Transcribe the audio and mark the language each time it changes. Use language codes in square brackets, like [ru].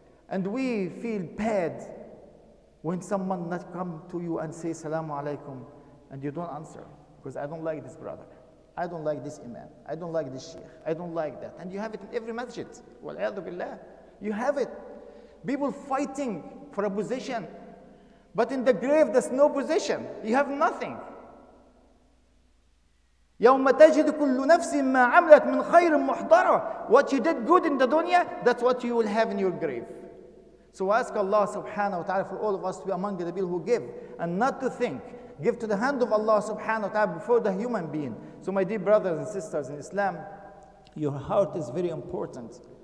[en] And we feel bad when someone not come to you and say salamu alaikum and you don't answer, because I don't like this brother, I don't like this imam, I don't like this sheikh, I don't like that. And you have it in every masjid, wal'iyadu billah, you have it. People fighting for a position, but in the grave there's no position, you have nothing. [ar] يَوْمَ تَجِدُ كُلُّ نَفْسٍ مَا عَمْلَتْ مِنْ خَيْرٍ مُحْضَرًا. [en] What you did good in the dunya, that's what you will have in your grave. So ask Allah subhanahu wa ta'ala for all of us to be among the people who give and not to think. Give to the hand of Allah subhanahu wa ta'ala before the human being. So my dear brothers and sisters in Islam, your heart is very important.